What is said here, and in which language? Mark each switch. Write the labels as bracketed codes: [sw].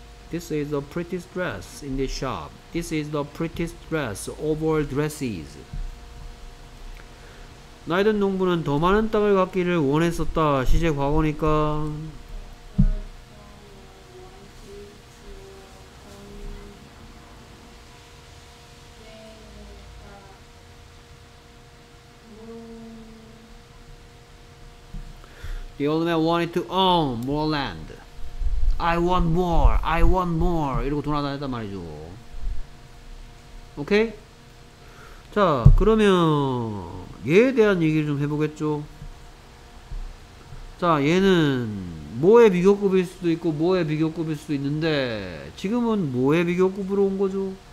[en] This is the prettiest dress in this shop. This is the prettiest dress of all dresses. [ko] 나이든 농부는 더 많은 땅을 갖기를 원했었다. 시제 과거니까. [en] The old man wanted to own more land. I want more. I want more. [ko] 이러고 돌아다녔단 말이죠. 오케이? 자, 그러면 얘에 대한 얘기를 좀 해보겠죠. 자, 얘는 뭐의 비교급일 수도 있고 뭐의 비교급일 수도 있는데 지금은 뭐의 비교급으로 온 거죠?